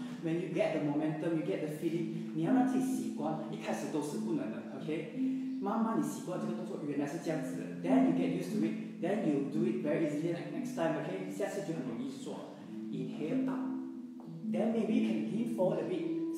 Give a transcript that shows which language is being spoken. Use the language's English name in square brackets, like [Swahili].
[English] When you get the momentum, you get the feeling. [Chinese] 你要让自己习惯，一开始都是不能的.Okay, 慢慢你习惯这个动作，原来是这样子的. [English] Then you get used to it. Then you do it very easily like next time, okay? [Chinese] 下次就很容易做. [English] Inhale up. Then maybe you can lean forward a bit.